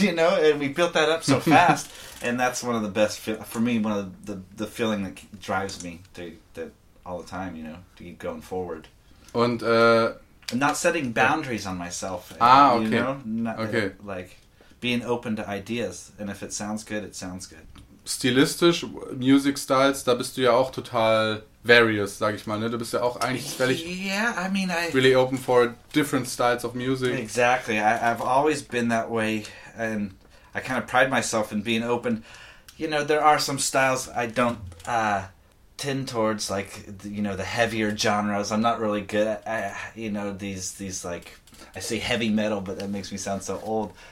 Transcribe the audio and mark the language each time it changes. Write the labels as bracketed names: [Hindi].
[English] You know, and we built that up so fast. And that's one of the best, for me, one of the feeling that drives me to all the time, you know, to keep going forward. And not setting boundaries on myself. Okay. You know? Okay. Like, being open to ideas, and if it sounds good, it sounds good. [German] Stilistisch, [English] Music Styles, [German] da bist du ja auch total [English] various, [German] sag ich mal, ne? Du bist ja auch eigentlich völlig [English] really open for different styles of music. Exactly, I've always been that way, and I kind of pride myself in being open. You know, there are some styles I don't tend towards, like, you know, the heavier genres. I'm not really good at, you know, these like, I say heavy metal, but that makes me sound so old.